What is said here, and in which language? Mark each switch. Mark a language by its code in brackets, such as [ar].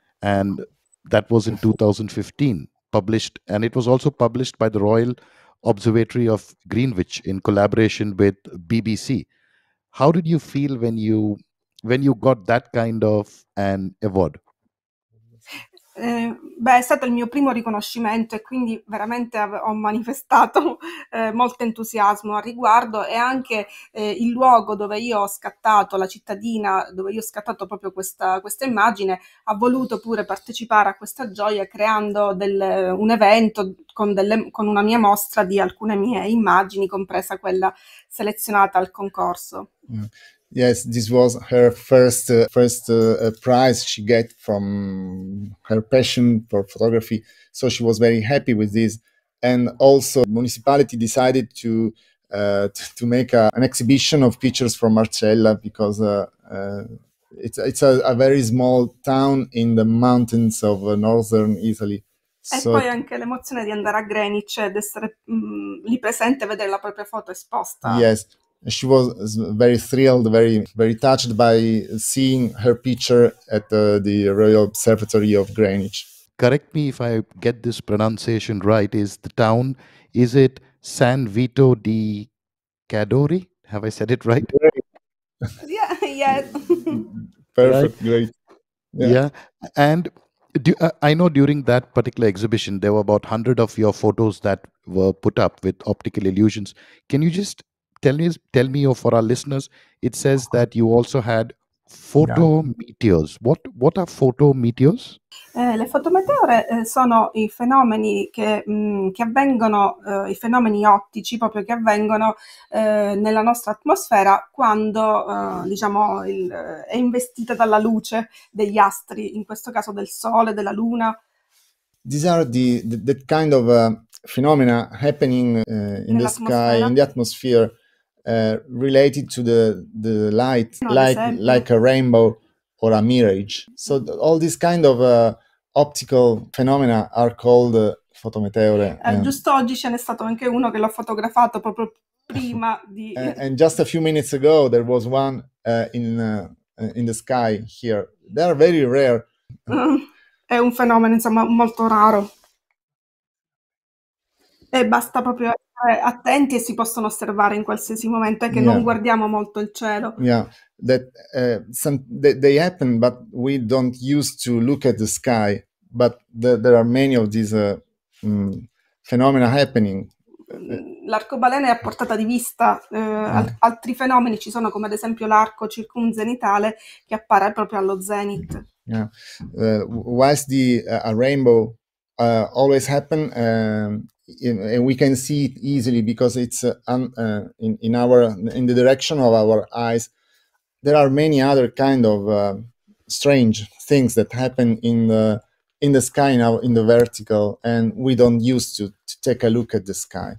[en] And that was in 2015, published. And it was also published by the Royal Observatory of Greenwich in collaboration with BBC. How did you feel when you got that kind of an award? [it] Beh, è stato il mio primo riconoscimento e quindi veramente ho manifestato molto entusiasmo al riguardo, e anche il luogo dove io ho scattato, la cittadina dove io ho scattato proprio questa immagine, ha voluto pure partecipare a questa gioia creando un evento con una mia mostra di alcune mie immagini, compresa quella selezionata al concorso. [en] Yes, this was her first prize she got from her passion for photography. So she was very happy with this. And also, the municipality decided to make an exhibition of pictures from Marcella, because it's a very small town in the mountains of northern Italy. [it] E so, poi anche l'emozione di andare a Greenwich ed essere lì presente e vedere la propria foto esposta. [en] Yes. She was very thrilled, very, very touched by seeing her picture at the Royal Observatory of Greenwich. Correct me if I get this pronunciation right. Is the town, is it San Vito di Cadore? Have I said it right? Yeah. Perfect, great. Yeah. And I know during that particular exhibition, there were about 100 of your photos that were put up with optical illusions. Can you just tell me, or for our listeners, it says that you also had photo meteors. What are photo meteors? [it] Le fotometeore sono i fenomeni che avvengono, i fenomeni ottici proprio che avvengono nella nostra atmosfera quando diciamo è investita dalla luce degli astri, in questo caso del sole, della luna. [en] These are the kind of phenomena happening in the sky, in the atmosphere. Related to the light, like a rainbow or a mirage. So all these kind of optical phenomena are called photometeore. [it] Giusto oggi ce n'è stato anche uno che l'ho fotografato proprio prima di. [en] And just a few minutes ago, there was one in the sky here. They are very rare. [it] È un fenomeno, insomma, molto raro. E basta proprio attenti e si possono osservare in qualsiasi momento, è che non guardiamo molto il cielo. [en] Yeah, they happen, but we don't use to look at the sky, but there are many of these phenomena happening. [it] L'arcobaleno è a portata di vista, altri fenomeni ci sono, come ad esempio l'arco circumzenitale che appare proprio allo zenith. [en] Yeah, whilst the a rainbow always happen, and we can see it easily because it's in the direction of our eyes. There are many other kind of strange things that happen in the sky now, in the vertical, and we don't use to take a look at the sky.